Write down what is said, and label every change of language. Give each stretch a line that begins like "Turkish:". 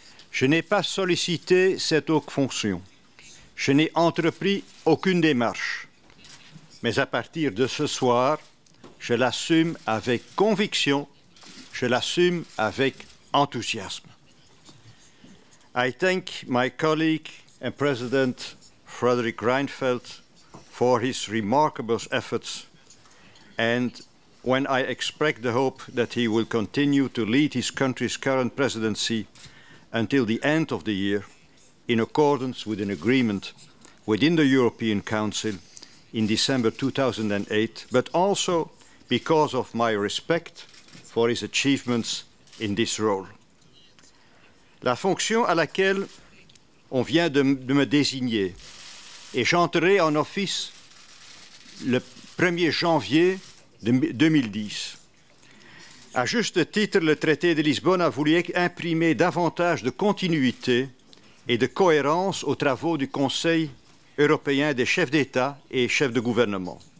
French: Je n'ai pas sollicité cette haute fonction. Je n'ai entrepris aucune démarche. Mais à partir de ce soir, je l'assume avec conviction, je l'assume avec enthousiasme.
English: I thank my colleague and President Fredrik Reinfeldt for his remarkable efforts, and when I express the hope that he will continue to lead his country's current presidency until the end of the year, in accordance with an agreement within the European Council in December 2008, but also because of my respect for his achievements in this role.
French: La fonction à laquelle on vient de me désigner, et j'entrerai en office le 1er janvier 2010. À juste titre, le traité de Lisbonne a voulu imprimer davantage de continuité et de cohérence aux travaux du Conseil européen des chefs d'État et chefs de gouvernement.